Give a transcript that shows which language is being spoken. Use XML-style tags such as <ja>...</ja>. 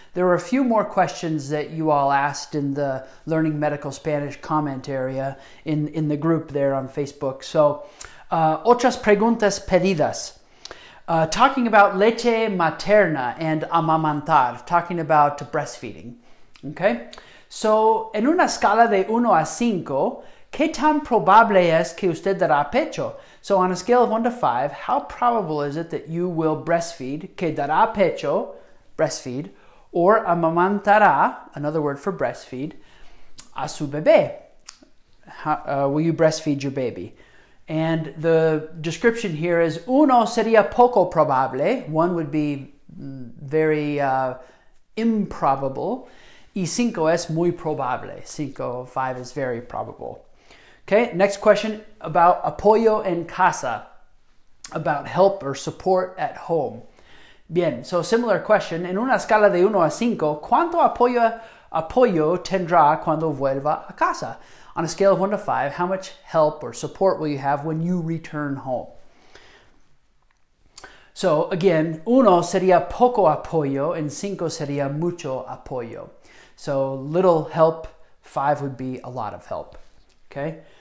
<en>There are a few more questions that you all asked in the Learning Medical Spanish comment area in the group there on Facebook. So,</en> <es>otras preguntas pedidas.</es> <en>Talking about</en> <es>leche materna</es> <en>and amamantar, talking about breastfeeding, okay?</en> <es>So, en una escala de 1 a 5, ¿qué tan probable es que usted dará pecho?</es> <en>So, on a scale of 1 to 5, how probable is it that you will breastfeed,</en> <es>que dará pecho,</es> <en>breastfeed, or amamantará, another word for breastfeed,</en> <es>a su bebé?</es> <en>Will you breastfeed your baby? And the description here is,</en> <es>uno sería poco probable,</es> <en>one would be very improbable,</en> <es>y cinco es muy probable.</es> <en>Cinco, five is very probable. Okay, next question about</en> <es>apoyo en casa,</es> <en>about help or support at home. Bien, so similar question.</en> <es>En una escala de 1 a 5, ¿cuánto apoyo tendrá cuando vuelva a casa?</es> <en>On a scale of 1 to 5, how much help or support will you have when you return home? So again,</en> <es>uno sería poco apoyo and cinco sería mucho apoyo.</es> <en>So little help, five would be a lot of help, okay?</en>